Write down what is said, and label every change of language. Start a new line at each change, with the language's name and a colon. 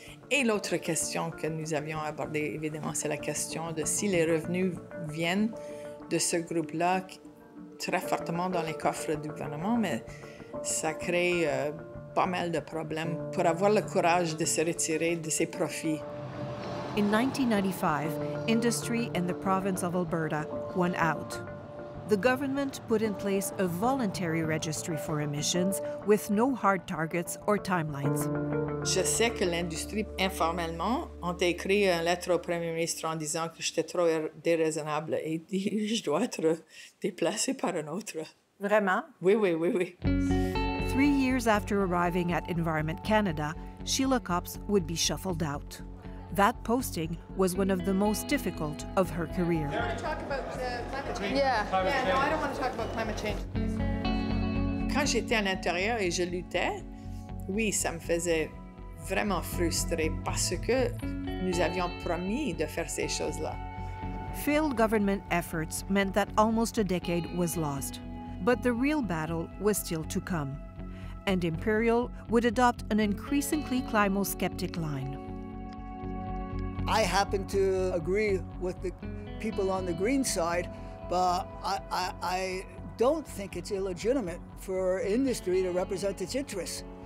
French: Et l'autre question que nous avions abordée, évidemment, c'est la question de si les revenus viennent de ce groupe-là très fortement dans les coffres du gouvernement, mais ça crée pas mal de problèmes pour avoir le courage de se retirer de ses profits.
English: In 1995, industry in the province of Alberta won out. The government put in place a voluntary registry for emissions with no hard targets or timelines.
French: Je sais que l'industrie, informellement, ont écrit une lettre au premier ministre en disant que j'étais trop déraisonnable et je dois être déplacée par un autre. Vraiment? Oui.
English: 3 years after arriving at Environment Canada, Sheila Copps would be shuffled out. That posting was one of the most difficult of her career. Do you want to talk about climate change? Yeah. No, I don't want to talk about climate change.
French: Quand j'étais à l'intérieur et je luttais, oui, ça me faisait vraiment frustrer parce que nous avions promis de faire ces choses-là.
English: Failed government efforts meant that almost a decade was lost. But the real battle was still to come. And Imperial would adopt an increasingly climo-skeptic line. I happen to agree with the people on the green side, but I don't think it's illegitimate for industry to represent its interests.